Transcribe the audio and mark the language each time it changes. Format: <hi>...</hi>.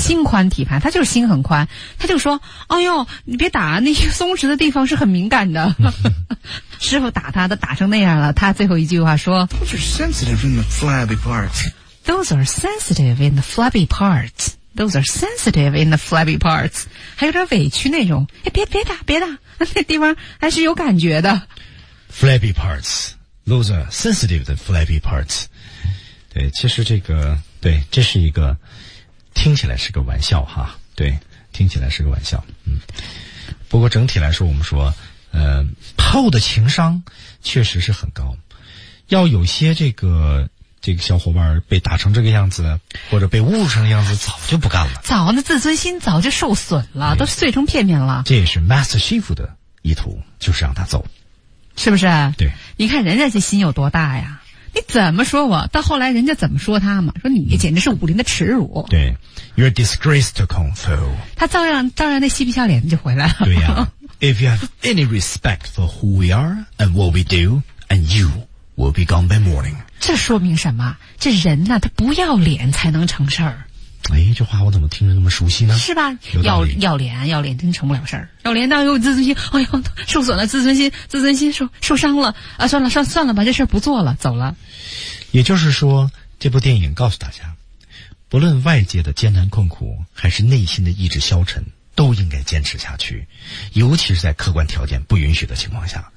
<zh>心宽体盘，他就是心很宽。他就说，哎呦，你别打，那些松弛的地方是很敏感的。师傅打他都打成那样了，他最后一句话说。</zh> <en>Those are sensitive in the flabby parts. Those are sensitive in the flabby parts. Those are sensitive in the flabby parts.</en> <zh>还有点委屈那种，哎，别打。那地方还是有感觉的。</zh> <en>Flabby parts, those are sensitive than flabby parts.</en> <zh>对，其实这个对，这是一个听起来是个玩笑哈。对，听起来是个玩笑。嗯，不过整体来说，我们说，Paul 的情商确实是很高。要有些这个小伙伴被打成这个样子，或者被侮辱成这个样子，早就不干了。早，那自尊心早就受损了，都碎成片片了。这也是 Master Chief 的意图，就是让他走，是不是？对，你看人家这心有多大呀！你怎么说我？到后来人家怎么说他嘛？说你简直是武林的耻辱。</zh> <en>对 ，You're disgrace to Kung Fu。</en> <zh>他照样那嬉皮笑脸的就回来了。对呀、啊、，</zh> <en>If you have any respect for who we are and what we do, and you will be gone by morning。</en> <zh>这说明什么？这人呢、啊，他不要脸才能成事儿。哎，这话我怎么听着那么熟悉呢？是吧？要脸真成不了事儿。要脸当有自尊心，哎呦，受损了，自尊心受伤了啊！算了吧，这事儿不做了，走了。也就是说，这部电影告诉大家，不论外界的艰难困苦，还是内心的意志消沉，都应该坚持下去，尤其是在客观条件不允许的情况下。</zh>